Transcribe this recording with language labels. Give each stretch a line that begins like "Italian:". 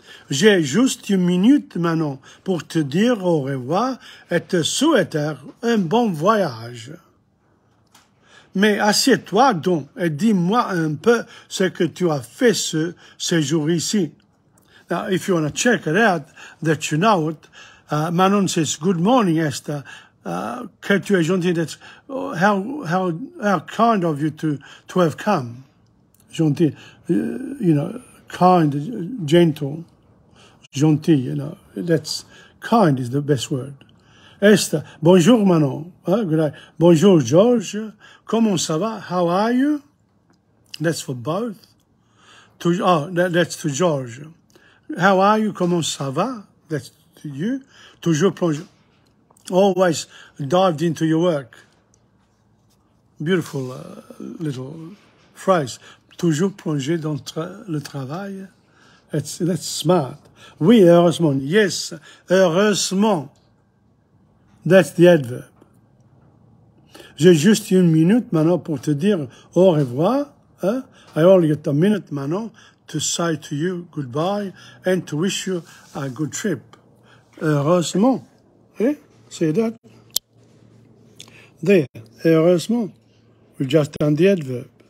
French: J'ai juste une minute, Manon, pour te dire au revoir et te souhaiter un bon voyage. Mais assieds-toi donc et dis-moi un peu ce que tu as fait ce jour ici.
English: Now, if you want to check it out, that you know it, Manon says, good morning, Esther.
French: Que tu es gentil,
English: that's how kind of you to have come. Gentil, you know, kind, gentle, gentil, you know, that's kind is the best word. Esther,
French: bonjour Manon,
English: good day.
French: Bonjour Georges, comment ça va,
English: how are you? That's for both. That's to Georges. How are you,
French: comment ça va,
English: that's to you.
French: Toujours plongé.
English: Always dived into your work. Beautiful little phrase.
French: Toujours plongé dans le travail
English: That's smart.
French: Oui, heureusement.
English: Yes, heureusement. That's the adverb.
French: J'ai juste une minute maintenant pour te dire au revoir.
English: I only got a minute maintenant to say to you goodbye and to wish you a good trip. Heureusement. Eh? Say that. There. Heureusement. We've just done the adverb.